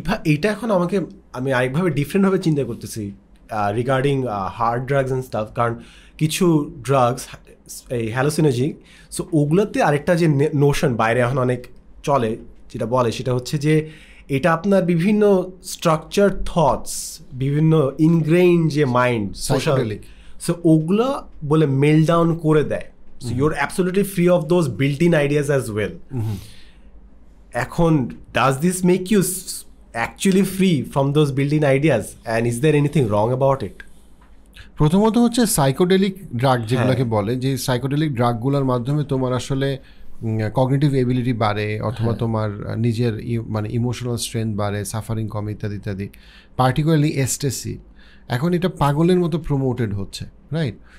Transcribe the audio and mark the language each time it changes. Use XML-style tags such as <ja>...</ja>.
<bn>এইটা এখন আমাকে আমি আরেকভাবে ডিফারেন্টভাবে চিন্তা করতেছি regarding hard drugs and staff, কারণ কিছু ড্রাগস এই হ্যালোসিনোজিক, সো ওগুলোতে আরেকটা যে নোশন বাইরে এখন অনেক চলে যেটা বলে সেটা হচ্ছে যে এটা আপনার বিভিন্ন স্ট্রাকচার থটস, বিভিন্ন ইনগ্রেইন যে মাইন্ড</bn> <en>social,</en> <bn>সো ওগুলো বলে মেলডাউন করে দেয়।</bn> <en>So you're absolutely free of those built-in ideas as well. এখন does this make you actually free from those built-in ideas and is there anything wrong about it?</en> <bn>প্রথমত হচ্ছে সাইকোডেলিক drug যেগুলোকে বলে, যে সাইকোডেলিক ড্রাগগুলোর মাধ্যমে তোমার আসলে কগনিটিভ এবিলিটি বাড়ে অথবা তোমার নিজের মানে ইমোশনাল স্ট্রেংথ বাড়ে, সাফারিং কমে ইত্যাদি ইত্যাদি, পার্টিকুলারলি এসটেসি এখন এটা পাগলের মতো প্রমোটেড হচ্ছে, রাইট?</bn>